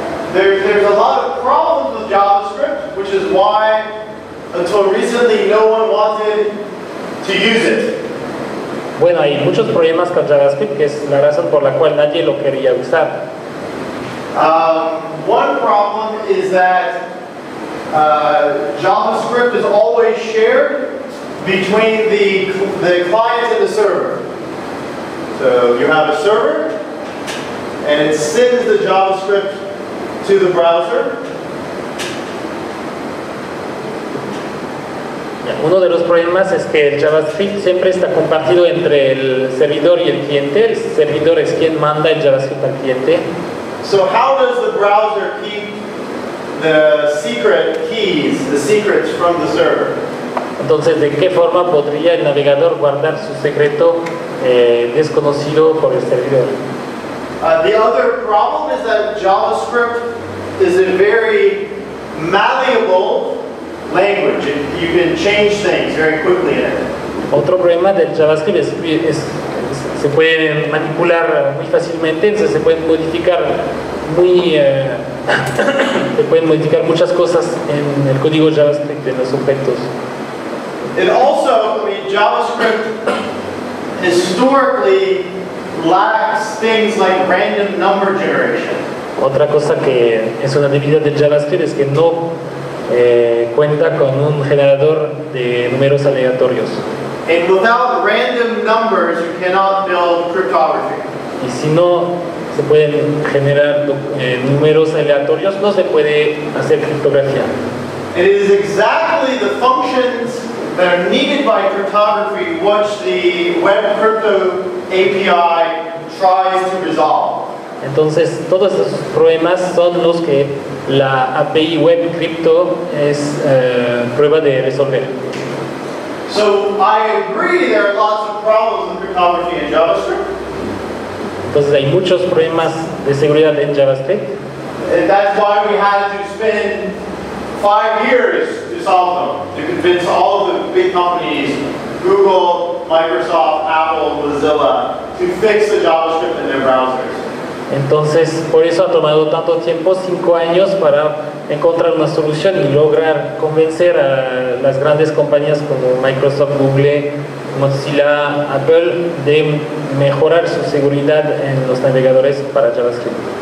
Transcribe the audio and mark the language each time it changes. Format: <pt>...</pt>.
<en>There's a lot of problems with JavaScript, which is why, until recently, no one wanted to use it.</en> <es>Bueno, hay muchos problemas con JavaScript, que es la razón por la cual nadie lo quería usar.</es> <en>One problem is that JavaScript is always shared between the client and the server. So you have a server, and it sends the JavaScript to the browser.</en> <es>Uno de los problemas es que el JavaScript siempre está compartido entre el servidor y el cliente. El servidor es quien manda el JavaScript al cliente.</es> <en>So how does the browser keep the secret keys, the secrets from the server?</en> <es>Entonces, ¿de qué forma podría el navegador guardar su secreto desconocido por el servidor?</es> <en>The other problem is that JavaScript is a very malleable language. You can change things very quickly in it.</en> <es>Otro problema del JavaScript es que se puede manipular muy fácilmente, entonces se pueden modificar muy se pueden modificar muchas cosas en el código JavaScript de los objetos.</es> <en>And also, JavaScript historically lacks things like random number generation.</en> <es>Otra cosa que es una debilidad del JavaScript es que no cuenta con un generador de números aleatorios.</es> <en>And without random numbers, you cannot build cryptography.</en> <es>Y si no se pueden generar números aleatorios, no se puede hacer criptografía.</es> <en>It is exactly the functions that are needed by cryptography which the Web Crypto API tries to resolve.</en> <es>Entonces, todos esos problemas son los que la API Web Crypto es prueba de resolver.</es> <en>So I agree there are lots of problems with cryptography in JavaScript.</en> <es>Entonces hay muchos problemas de seguridad en JavaScript.</es> <en>And that's why we had to spend 5 years to solve them, to convince all of the big companies, Google, Microsoft, Apple, Mozilla, to fix the JavaScript in their browsers.</en> <es>Entonces, por eso ha tomado tanto tiempo, 5 años, para encontrar una solución y lograr convencer a las grandes compañías como Microsoft, Google, Mozilla, Apple, de mejorar su seguridad en los navegadores para JavaScript.</es>